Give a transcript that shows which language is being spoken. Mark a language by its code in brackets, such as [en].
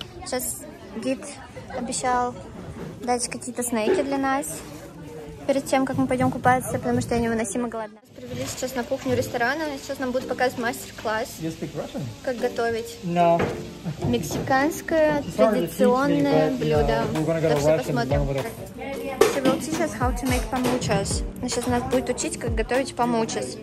[ru] Сейчас гид обещал дать какие-то снеки для нас перед тем, как мы пойдем купаться, потому что я невыносимо голодна. Нас привели сейчас на кухню ресторана, и сейчас нам будут показывать мастер-класс. Как готовить. [en] No. [ru] Мексиканское традиционное блюдо. Все посмотрим. [en] She will teach us how to make pamuchas. [ru] Она сейчас нас будет учить, как готовить pamuchas.